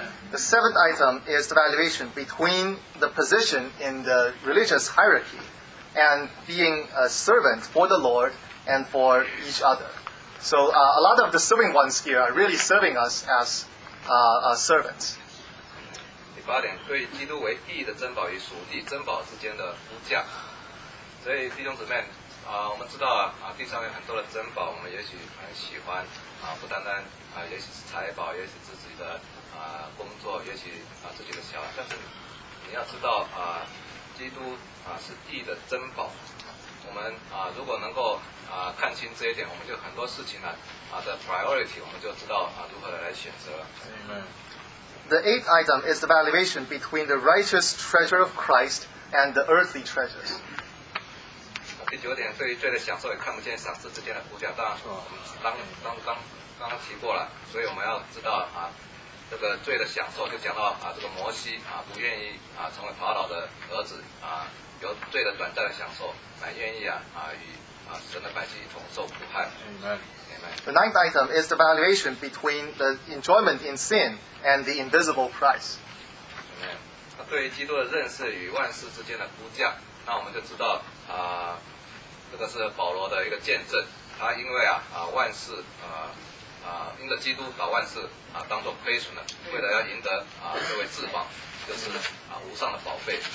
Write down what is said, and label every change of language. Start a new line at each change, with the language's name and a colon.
English: The seventh item is the valuation between the position in the religious hierarchy and being a servant for the Lord and for each other. So a lot of the serving ones here are really serving us as servants.
Chinese: 第八点，对基督为义的珍宝与属地珍宝之间的估价。所以弟兄姊妹，我们知道地上有很多的珍宝，我们也许很喜欢。不单单也许是财宝，也许是自己的工作，也许自己的小孩，但是你要知道基督是义的珍宝。我们如果能够看清这一点，我们就很多事情的 priority， 我们就知道如何来选择了。
English: The eighth item is the valuation between the righteous treasure of Christ and the earthly treasures.
Chinese: 第九点，对于罪的享受也看不见赏赐之间的互相。当然，我们刚提过了，所以我们要知道啊，这个罪的享受就讲到啊，这个摩西啊不愿意啊成为法老的儿子啊，有罪的短暂的享受，乃愿意啊与啊神的百姓一同受苦害。
English: The ninth item is the valuation between the enjoyment in sin and the invisible price.
Chinese: 对于基督的认识与万事之间的估价，那我们就知道啊，这个是保罗的一个见证。他因为万事因着基督把万事当作亏损了，为了要赢得这位至宝，就是无上的宝贝。